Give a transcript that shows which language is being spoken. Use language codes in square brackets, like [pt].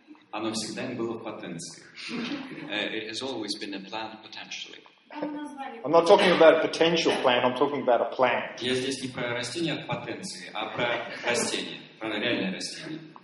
[ru] Оно всегда не было в потенции. [en] It has always been a plant potentially. I'm not talking about a potential plant, I'm talking about a plant. [ru] Я здесь не про растение от потенции, а про растение, про реальное растение.